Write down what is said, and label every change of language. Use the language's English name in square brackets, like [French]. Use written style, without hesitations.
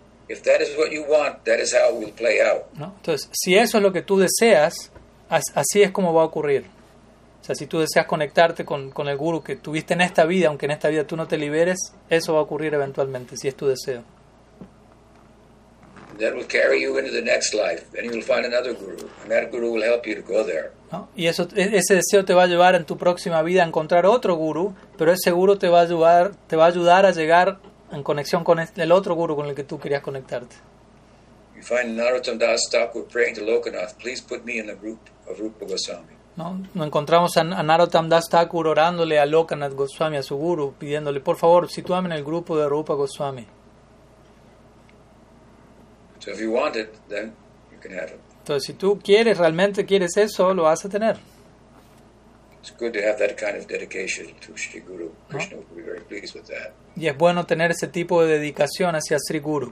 [Spanish] Entonces, si eso es lo que tú deseas, así es como va a ocurrir. O sea, si tú deseas conectarte con el Guru que tuviste en esta vida, aunque en esta vida tú no te liberes, eso va a ocurrir eventualmente, si es tu deseo. [English] That will carry you into the next life, and you will find another Guru, and that Guru will help you to go there. [Spanish] ¿No? Y eso, ese deseo te va a llevar en tu próxima vida a encontrar otro Guru, pero ese Guru te va a ayudar a llegar en conexión con el otro Guru con el que tú querías conectarte. [English] You find Narottam Das Thakur praying to Lokanath, please put me in the group of Rupa Goswami. [Spanish] No encontramos a Narottam Das Thakur orándole a Lokanath Goswami, a su Guru, pidiéndole, por favor, sitúame en el grupo de Rupa Goswami. [English] So if you want it, then you can have it. [Spanish] Entonces, si tú quieres, realmente quieres eso, lo vas a tener. [English] It's good to have that kind of dedication to Sri Guru. Krishna would be very pleased with that. [Spanish] Y es bueno tener ese tipo de dedicación hacia Sri Guru.